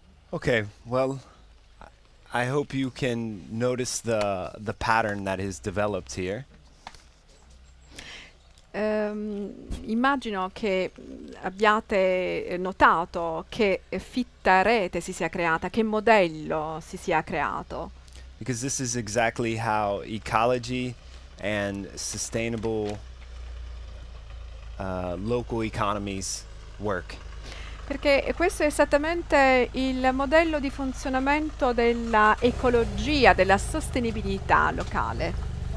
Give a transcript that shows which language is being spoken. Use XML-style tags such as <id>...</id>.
<en>Okay, well, I hope you can notice the pattern that has developed here.</en> <it>Immagino che abbiate notato che fitta rete si sia creata, che modello si sia creato.</it> <en>Because this is exactly how ecology and sustainable local economies work.</en> <it>Perché questo è esattamente il modello di funzionamento della ecologia, della sostenibilità locale.</it>